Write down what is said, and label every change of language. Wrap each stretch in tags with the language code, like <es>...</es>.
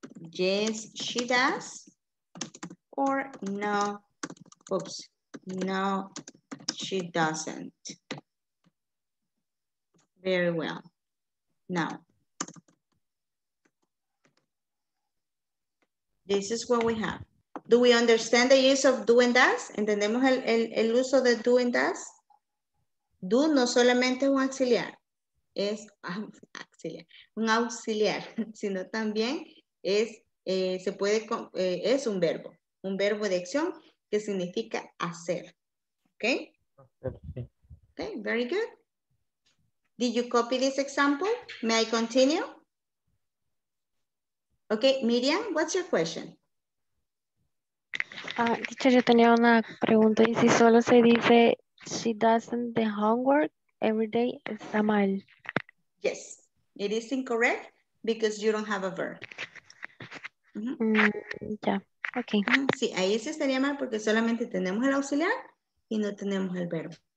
<en>Yes, she does, or no, oops, no, she doesn't. Very well. Now, this is what we have. Do we understand the use of do and does?</en> <es>¿Entendemos el uso de do and does? Do no solamente un auxiliar, es auxiliar, un auxiliar, sino también es es un verbo de acción que significa hacer.</es> <en>Okay? Okay, very good. Did you copy this example? May I continue? Okay, Miriam, what's your question?</en> <es>Yo tenía una pregunta y si solo se dice she doesn't the homework every day, está mal.</es> <en>Yes, it is incorrect because you don't have a verb.</en> <es>Sí, ahí se estaría mal porque solamente tenemos el auxiliar y no tenemos el verbo.</es>